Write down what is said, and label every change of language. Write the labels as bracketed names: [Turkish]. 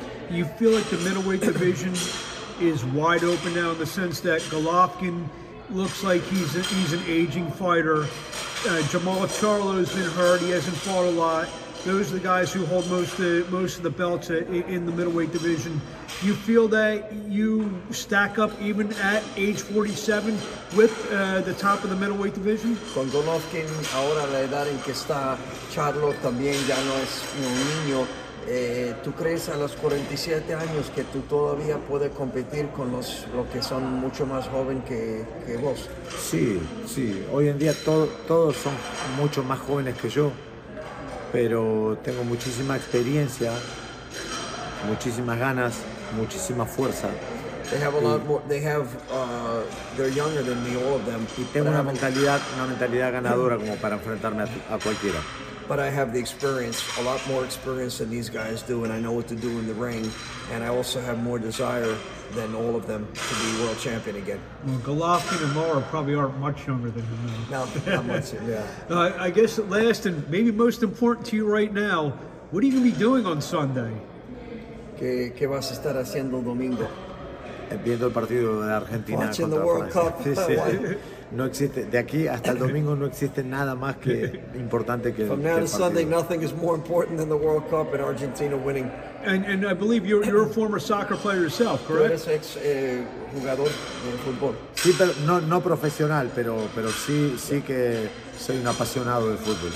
[English] You feel like the middleweight division is wide open now in the sense that Golovkin looks like he's an aging fighter. Jamal Charlo has been hurt, he hasn't fought a lot. Those are the guys who hold most of the belts in the middleweight division. You feel that you stack up even at age 47 with the top of the middleweight division? [Spanish] Con Golovkin, ahora la edad en que está Charlo también ya no es un niño. ¿Tú crees a los 47 años que tú todavía puedes competir con los que son mucho más joven que vos? Sí, sí. Hoy en día todos son mucho más jóvenes que yo. Pero tengo muchísima experiencia, muchísimas ganas, muchísima fuerza [English] They have a lot more. They have. They're younger than me. All of them. [Spanish] Tengo una mentalidad, ganadora como para enfrentarme a cualquiera. [English] But I have the experience, a lot more experience than these guys do, and I know what to do in the ring. And I also have more desire than all of them to be world champion again. Well, Golovkin and Laura probably aren't much younger than you. No, not much, yeah. I guess last and maybe most important to you right now, what are you going to be doing on Sunday? [Spanish] ¿Qué vas a estar haciendo el domingo? Viendo el partido de Argentina contra [English] Francia. Watching the World Cup. [Spanish] Sí, sí. No existe, de aquí hasta el domingo no existe nada más que importante que [English] From now to Sunday, nothing is more important than the World Cup and Argentina winning. And I believe you're a former soccer player yourself, correct? [Spanish] Eres ex jugador de fútbol. Sí, pero no profesional, pero sí que soy un apasionado del fútbol.